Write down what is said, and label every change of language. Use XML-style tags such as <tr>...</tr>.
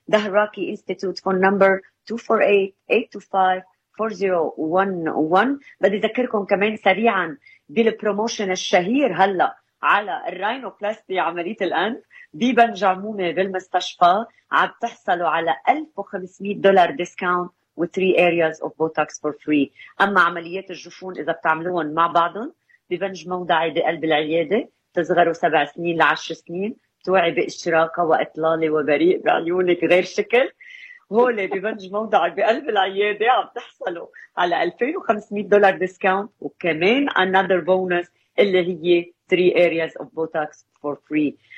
<ar>Dahraki Institute, phone number 248-825-4011. بدي أذكركم كمان سريعا بالبروموشن الشهير هلا على الراينوبلاستي عملية الأنف ببنجعمومة بالمستشفى. عم تحصلوا على</ar> <en>$1,500 discount with 3 areas of Botox for free.</en> <ar>أما عمليات الجفون إذا بتعملوهن مع بعضهم ببنج موضعي بقلب العيادة تصغروا 7 سنين ل10 سنين، توعي بإشراقة وإطلالة وبريء بعيونك غير شكل. هولي ببنج موضعي بقلب العيادة عم تحصلوا على $2,500 discount وكمان another bonus اللي هي</ar> <en>3 areas of Botox for free.</en>